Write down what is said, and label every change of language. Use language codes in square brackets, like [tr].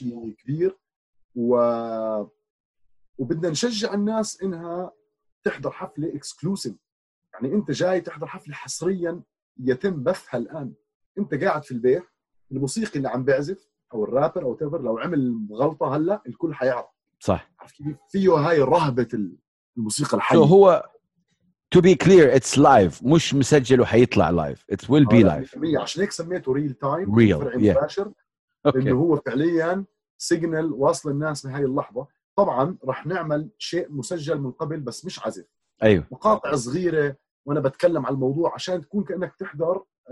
[ar] إشي كبير وبدنا نشجع الناس إنها تحضر حفلة إكسكلوسيف يعني أنت جاي تحضر حفلة حصريا يتم بثها الآن أنت قاعد في البيت الموسيقي اللي عم بيعزف أو الرابر أو تيفر لو عمل غلطة هلا الكل حيعرف صح عارف كيف فيه هاي رهبة الموسيقى الحية هو [en] To be clear, it's live. [ar] مش مسجل وحيطلع [en] live. It will be live. [ar] عشان هيك سميته [en] real time. Real. Yeah. [ar] إنه هو فعلياً signal واصل الناس بهاي اللحظة. طبعاً رح نعمل شيء مسجل من قبل بس مش عزف. أيوة. مقاطع صغيرة وأنا بتكلم على الموضوع عشان تكون كأنك تحضر